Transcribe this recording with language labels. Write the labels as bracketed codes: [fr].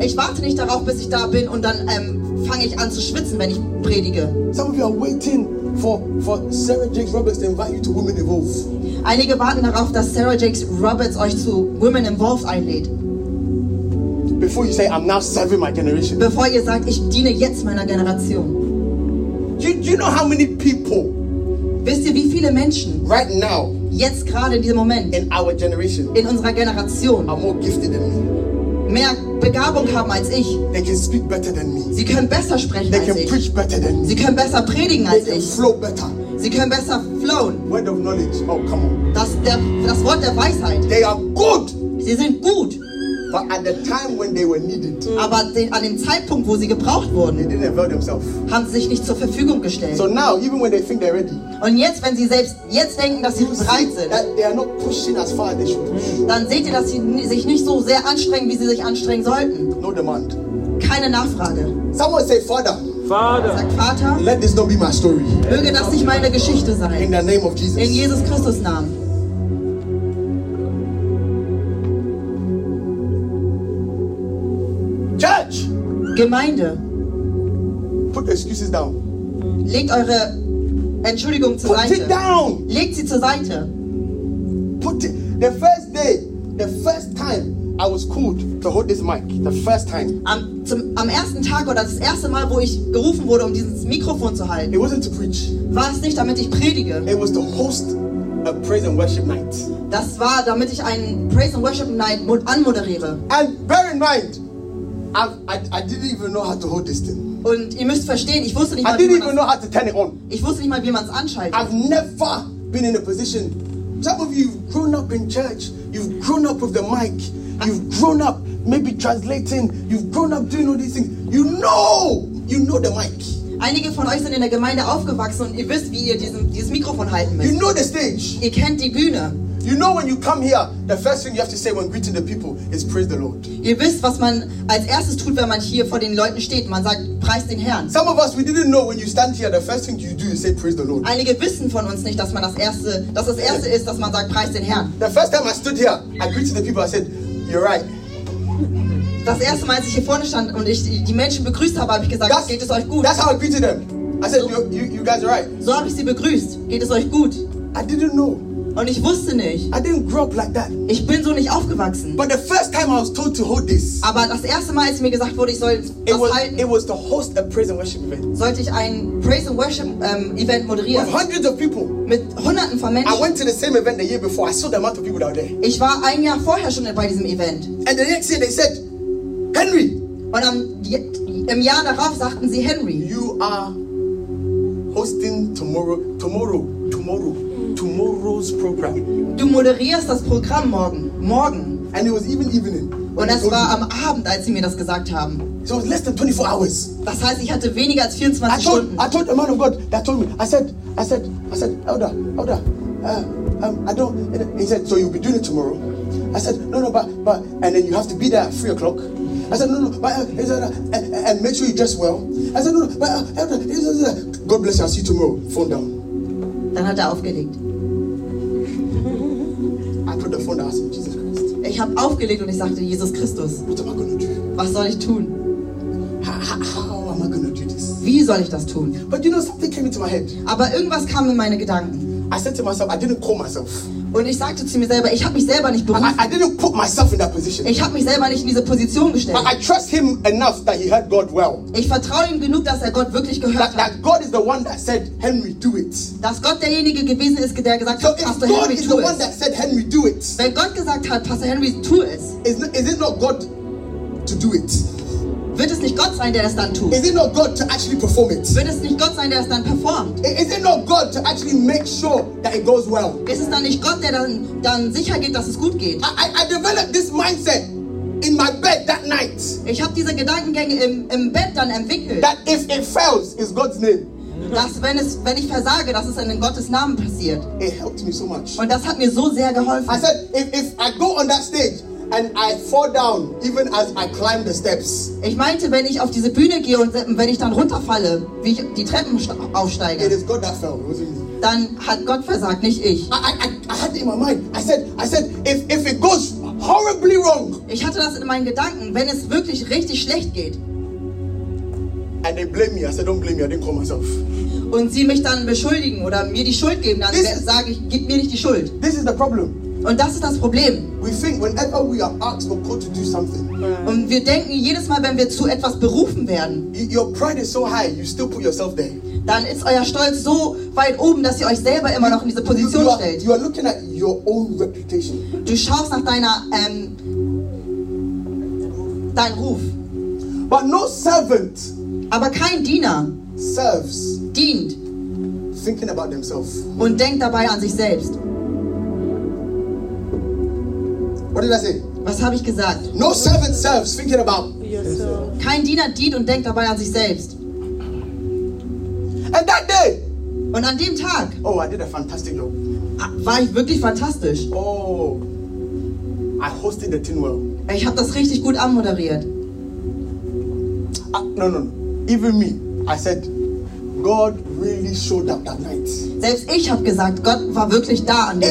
[de] Ich warte nicht darauf, bis ich da bin und dann fange ich an zu schwitzen, wenn ich predige. [en] Some of you are waiting for Sarah Jakes Roberts to invite you to Women Involved. [de] Einige warten darauf, dass Sarah Jakes Roberts euch zu Women Involved einlädt. [en] Before you say, I'm now serving my generation. [de] Bevor ihr sagt, ich diene jetzt meiner Generation. [en] Do you know how many people? [de] Wisst ihr, wie viele Menschen? [en] Right now. [de] Jetzt gerade in diesem Moment. [en] In our generation. [de] In unserer Generation. [en] Are more gifted than me. [de] Mehr Begabung haben als ich. [en] They can speak better than me. [de] Sie können besser sprechen [en] they [de] als [en] can [de] ich. [en] Preach better than me. [de] Sie können besser predigen [en] they [de] als [en] can [de] ich. [en] Flow better. [de] Sie können besser flowen. [en] Word of knowledge. Oh, come on. [de] Das Wort der Weisheit. [en] They are good. [de] Sie sind gut. [en] But at the time when they were needed, [de] aber an dem Zeitpunkt, wo sie gebraucht wurden, [en] they didn't avail themselves. [de] Haben sie sich nicht zur Verfügung gestellt. [en] So now, even when they think they're ready, [de] und jetzt, wenn sie selbst jetzt denken, dass sie bereit sind, [en] that they are not pushing as far as they should push. [de] Dann seht ihr, dass sie sich nicht so sehr anstrengen, wie sie sich anstrengen sollten. [en] No demand. [de] Keine Nachfrage. [en] Someone say, Father. Father. [de] Sagt Vater. [en] Let this not be my story. [de] Möge das nicht meine Geschichte sein. [en] In the name of Jesus. [de] In Jesus Christus Namen. Gemeinde. [en] Put excuses down. [de] Legt eure Entschuldigung zur [en] Put [de] Seite. [en] Put it down. [de] Legt sie zur Seite. [en] Put it. The first day, the first time I was called to hold this mic, the first time. [de] Am ersten Tag oder das erste Mal, wo ich gerufen wurde, um dieses Mikrofon zu halten. [en] It wasn't to preach. [de] War es nicht, damit ich predige. [en] It was to host a praise and worship night. [de] Das war, damit ich einen Praise and Worship Night anmoderiere. [en] And bear in mind. I didn't even know how to hold this thing. [de] Und ihr müsst verstehen, ich wusste nicht mal, [en] I didn't even know how to turn it on. [de] Ich wusste nicht mal, wie man es anschaltet. [en] I've never been in a position. Some of you've grown up in church. You've grown up with the mic. You've grown up maybe translating. You've grown up doing all these things. You know the mic. [de] Einige von euch sind in der Gemeinde aufgewachsen und ihr wisst, wie ihr dieses Mikrofon halten müsst. [en] You know the stage. [de] Ihr kennt die Bühne. [en] You know, when you come here, the first thing you have to say when greeting the people is praise the Lord. [de] Ihr wisst, was man als erstes tut, wenn man hier vor den Leuten steht. Man sagt, preist den Herrn. [en] Some of us, we didn't know when you stand here, the first thing you do is say praise the Lord. [de] Einige wissen von uns nicht, dass man das erste ist, dass man sagt, preist den Herrn. [en] The first time I stood here, I greeted the people. I said, you're right. [de] Das erste Mal, als ich hier vorne stand und ich die Menschen begrüßt habe, habe ich gesagt, [en] that's, [de] geht es euch gut? [en] That's how I greeted them. I said, you guys are right. [de] So habe ich sie begrüßt. Geht es euch gut? [en] I didn't know. [de] Und ich wusste nicht. [en] I didn't grow up like that. [de] Ich bin so nicht aufgewachsen. [en] But the first time I was told to hold this. [de] Aber das erste Mal, als mir gesagt wurde, ich soll das halten. [en] It was to host a praise and worship event. [de] Sollte ich ein praise and worship event moderieren? [en] With hundreds of people. [de] Mit hunderten von Menschen. [en] I went to the same event the year before. I saw the amount of people that were there. [de] Ich war ein Jahr vorher schon bei diesem Event. [en] And the next year they said, Henry. [de] Und im Jahr darauf sagten sie Henry. [en] You are hosting tomorrow's program. [de] Du moderierst das Programm morgen. [en] And it was even evening. [de] Und das war am Abend, als sie mir das gesagt haben. [en] So less than 24 hours. [de] Das heißt, ich hatte weniger als 24 Stunden. [en] I told a man of God that told me. I said, Elder, he said, so you'll be doing it tomorrow. I said, no, but, and then you have to be there at 3:00. I said, no, but, and make sure you dress well. I said, no, but, Elder, God bless you, I'll see you tomorrow. Phone down. [de] Dann hat aufgelegt. [en] I put the phone down and said, Jesus Christ. [de] Ich habe aufgelegt und ich sagte, Jesus Christus. [en] What am I going to do? [de] Was soll ich tun? [en] How am I going to do this? [de] Wie soll ich das tun? [en] But you know, something came into my head. [de] Aber irgendwas kam in meine Gedanken. [en] I said to myself, I didn't call myself. [de] Und ich sagte zu mir selber, ich habe mich selber nicht berufen. [en] I didn't put myself in that position. [de] Ich habe mich selber nicht in diese Position gestellt. [en] But I trust him enough that he heard God well. [de] Ich vertraue ihm genug, dass Gott wirklich gehört hat. [en] That God is the one that said, Henry, do it. [de] Dass Gott derjenige gewesen ist, der gesagt hat, Pastor [en] God [de] Henry, [en] is [de] tu [en] the [de] es. [en] One that said, Henry, do it. [de] Wenn Gott gesagt hat, Pastor Henry, tu es. [en] Is it not God to do it? [de] Wird es nicht Gott sein, der es dann tut? [en] Is it not God to actually perform it? [de] Wird es nicht Gott sein, der es dann performt? [en] Is it not God to actually make sure that it goes well? [de] Ist es dann nicht Gott, der dann sicher geht, dass es gut geht? [en] I developed this mindset in my bed that night. [de] Ich habe diese Gedankengänge im Bett dann entwickelt. [en] That if it fails, it's God's name. [de] Dass wenn ich versage, dass es in Gottes Namen passiert. [en] It helped me so much. [de] Und das hat mir so sehr geholfen. [en] I said, if I go on that stage, and I fall down even as I climb the steps. [de] Ich meinte, wenn ich auf diese Bühne gehe und wenn ich dann runterfalle, wie ich die Treppen aufsteige. [en] It is God that fell, wasn't it? [de] Dann hat Gott versagt, nicht ich. [en] I had it in my mind. I said, if it goes horribly wrong. Ich hatte das in meinen Gedanken, wenn es wirklich richtig schlecht geht. And they blame me. I said, don't blame me. I didn't call myself. [de] Und sie mich dann beschuldigen oder mir die Schuld geben, dann sage ich, gib mir nicht die Schuld. [en] This is the problem. [de] Und das ist das Problem. [en] We think whenever we are asked or called to do something. [de] Und wir denken jedes Mal, wenn wir zu etwas berufen werden. [en] Your pride is so high, you still put yourself there. [de] Dann ist euer Stolz so weit oben, dass ihr euch selber immer noch in diese Position stellt. [en] You are looking at your own reputation. [de] Du schaust nach dein Ruf. [en] But no servant. [de] Aber kein Diener. [en] Serves. [de] Dient. [en] Thinking about themselves. [de] Und denkt dabei an sich selbst. [en] What did I say? [de] Was habe ich gesagt? [en] No servant serves thinking about yourself. [de] Kein Diener dient und denkt dabei an sich selbst. [en] And that day. [de] Und an dem Tag. [en] Oh, I did a fantastic job. [de] War ich wirklich fantastisch? [en] Oh, I hosted the thing well. [de] Ich habe das richtig gut anmoderiert. [en] No. Even me, I said, God really showed up that night. [de] Selbst ich habe gesagt, Gott war wirklich da an dem